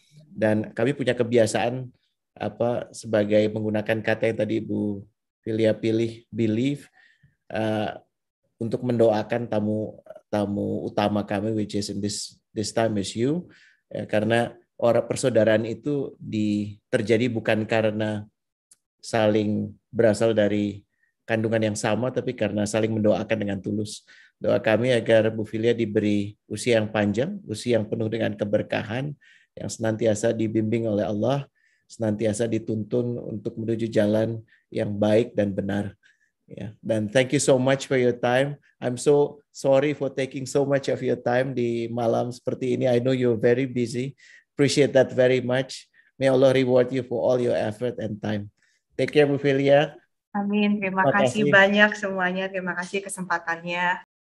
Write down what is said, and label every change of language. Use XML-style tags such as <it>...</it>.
<id>Dan kami punya kebiasaan apa, sebagai menggunakan kata yang tadi Bu Filia pilih, believe, untuk mendoakan tamu utama kami,</id> <en>which is in this time is you,</en> <id>ya, karena orang persaudaraan itu terjadi bukan karena saling berasal dari kandungan yang sama, tapi karena saling mendoakan dengan tulus. Doa kami agar Bu Filia diberi usia yang panjang, usia yang penuh dengan keberkahan, yang senantiasa dibimbing oleh Allah, senantiasa dituntun untuk menuju jalan yang baik dan benar. Ya.</id> <en>Dan thank you so much for your time. I'm so sorry for taking so much of your time</en> <id>di malam seperti ini.</id> <en>I know you're very busy. Appreciate that very much. May Allah reward you for all your effort and time. Take care, Bu Filia.</en> <id>Amin. Terima kasih banyak semuanya. Terima kasih kesempatannya.</id>